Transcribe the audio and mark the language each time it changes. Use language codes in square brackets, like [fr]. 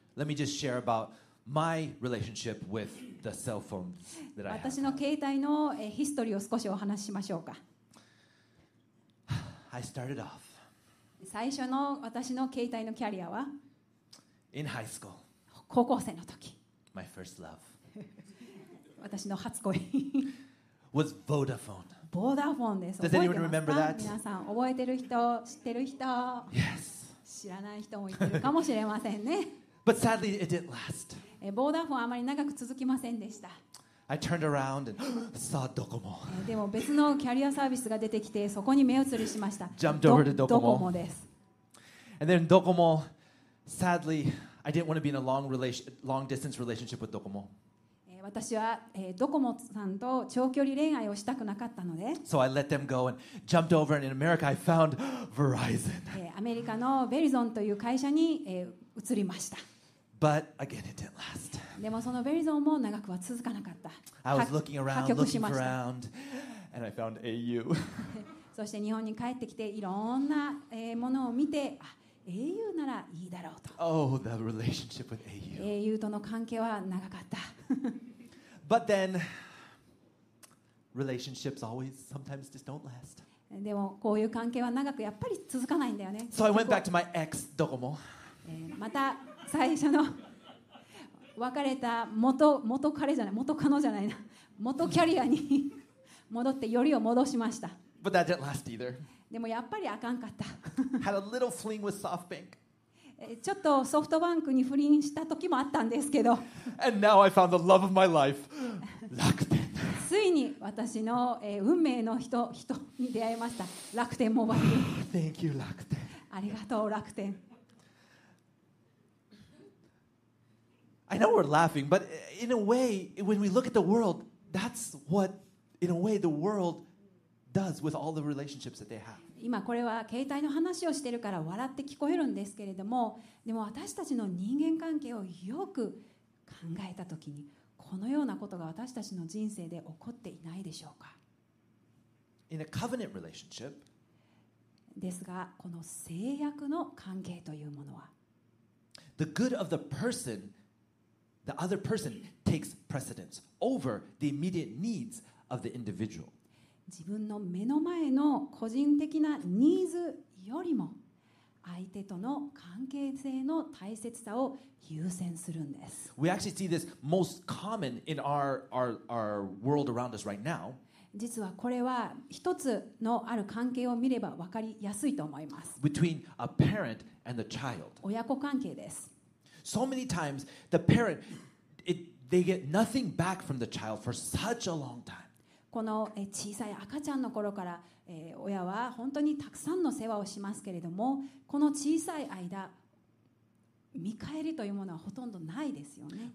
[en] Let me just share about my relationship with the cell phone that I have. [ja] 私の携帯のヒストリーを少しお話ししましょうか。 [en] I started off. [ja] 最初の私の携帯のキャリアは [en] In high school. [ja] 高校生の時。 [en] My first love. [ja] 私の初恋。 [en] Was Vodafone. [ja] Vodafone です。 [en] Does anyone remember that? [ja] 皆さん覚えてる人、知ってる人、 [en] yes. [ja] 知らない人もいるかもしれませんね。 [en] But sadly, it didn't last. [ja] Vodafone あまり長く続きませんでした。 [en] I turned around and saw Docomo. [ja] でも別のキャリアサービスが出てきてそこに目移りしました。 [en] Jumped over to Docomo. [ja] Docomo です。 [en] And then Docomo, sadly, I didn't want to be in a long distance relationship with Docomo. [ja] 私は、ドコモさんと長距離恋愛をしたくなかったので、 [en] So I let them go and jumped over and in America I found Verizon. [ja] アメリカのベリゾンという会社に、移りました。 [en] But again, it didn't last. [ja] でもそのベリゾンも長くは続かなかった。 [en] I was looking around, looking around, and I found AU. [ja] そして日本に帰ってきていろんな、ものを見て、AU ならいいだろうと。 [en] Oh, the relationship with AU. [ja] AU との関係は長かった。 [en] But then, relationships always sometimes just don't last. [ja] でもこういう関係は長くやっぱり続かないんだよね。 [en] So I went back to my ex, Docomo. [ja] また最初の別れた元彼じゃない元キャリアに戻ってよりを戻しました。 [en] But that didn't last either. [ja] でもやっぱりあかんかった。 [en] Had a little fling with SoftBank. [ja] ちょっとソフトバンクに不倫した時もあったんですけど。 [en] And now I found the love of my life, 楽天。 [ja] ついに私の運命の人に出会いました。楽天モバイル。 [en] Thank you, 楽天。 [ja] ありがとう、楽天。 [en] I know we're laughing, but in a way, when we look at the world, that's what, in a way, the world does with all the relationships that they have. [ja] 今これは携帯の話をしているから笑って聞こえるんですけれども、でも私たちの人間関係をよく考えたときに、このようなことが私たちの人生で起こっていないでしょうか。 [en] In a covenant relationship, [ja] ですが、この契約の関係というものは、 [en] The good of the person, the other person takes precedence over the immediate needs of the individual. [ja] 自分の目の前の個人的なニーズよりも相手との関係性の大切さを優先するんです。 [en] We actually see this most common in our world around us right now. [ja] 実はこれは一つのある関係を見れば分かりやすいと思います。 [en] Between a parent and the child. [ja] 親子関係です。 [en] So many times the parent, they get nothing back from the child for such a long time. [ja] この小さい赤ちゃんの頃から親は本当にたくさんの世話をしますけれどもこの小さい間見返りというものはほとんどないですよね